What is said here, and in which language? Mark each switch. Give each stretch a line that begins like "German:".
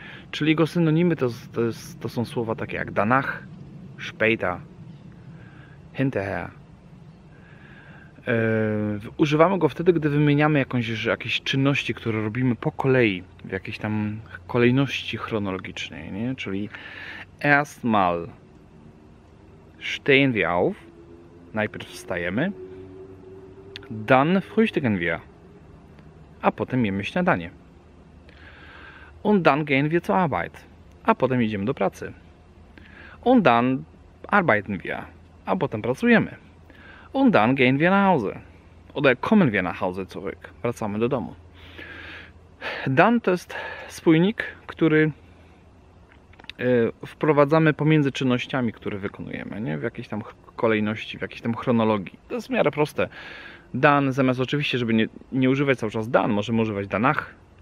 Polish: Czyli jego synonimy to są słowa takie jak danach, später, hinterher. Używamy go wtedy, gdy wymieniamy jakieś czynności, które robimy po kolei, w jakiejś tam kolejności chronologicznej, nie? Czyli
German: erstmal stehen wir auf,
Polish: najpierw wstajemy,
German: dann frühstücken wir,
Polish: a potem jemy śniadanie.
German: Und dann gehen wir zur Arbeit.
Polish: A potem idziemy do pracy.
German: Und dann arbeiten wir.
Polish: A potem pracujemy.
German: Und dann gehen wir nach Hause. Oder kommen wir nach Hause zurück.
Polish: Wracamy do domu. Dann to jest spójnik, który wprowadzamy pomiędzy czynnościami, które wykonujemy. Nie? W jakiejś tam kolejności, w jakiejś tam chronologii. To jest w miarę proste. Dann, zamiast oczywiście, żeby nie używać cały czas dann, możemy używać danach.